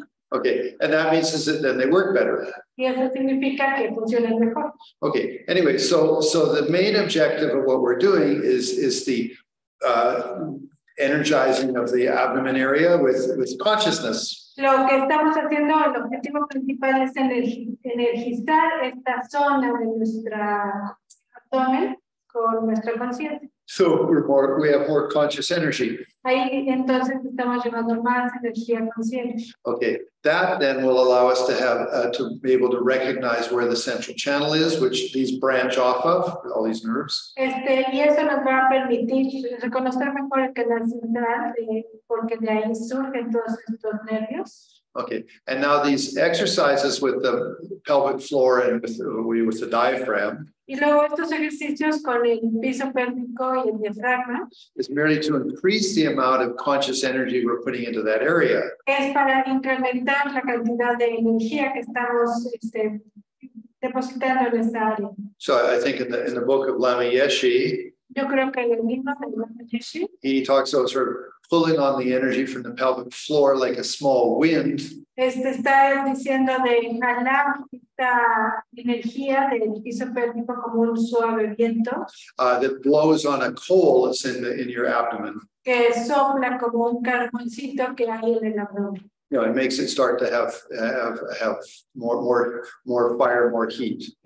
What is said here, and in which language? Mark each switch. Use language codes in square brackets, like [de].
[en] Okay, and that means is that then they work better. Okay, anyway, so the main objective of what we're doing is the energizing of the abdomen area with consciousness. [es] Lo que estamos haciendo, el objetivo principal es energizar esta zona de nuestra abdomen con nuestra conciencia. [en] So we have more conscious energy. [es] Ahí, entonces, estamos llevando más energía consciente. [en] Okay, that then will allow us to have to be able to recognize where the central channel is, which these branch off of, all these nerves. [es] Y eso nos va a permitir reconocer mejor el canal central, porque de ahí surgen todos estos nervios. [en] Okay, and now these exercises with the pelvic floor and with the diaphragm. [es] Y luego estos ejercicios con el piso pélvico y el diafragma. [en] Is merely to increase the amount of conscious energy we're putting into that area. [es] Es para incrementar la cantidad de energía que estamos depositando en esa área. [en] So I think in the book of Lama Yeshe. [es] Yo creo que en el libro de Lama Yeshe. [en] He talks about sort of pulling on the energy from the pelvic floor like a small wind. [es] Está diciendo de inhalar esta energía del piso pélvico como un suave viento. [en] That blows on a coal that's in your abdomen. [es] Que sopla como un carboncito que hay en el abdomen. [en] You know, it makes it start to have more fire, more heat.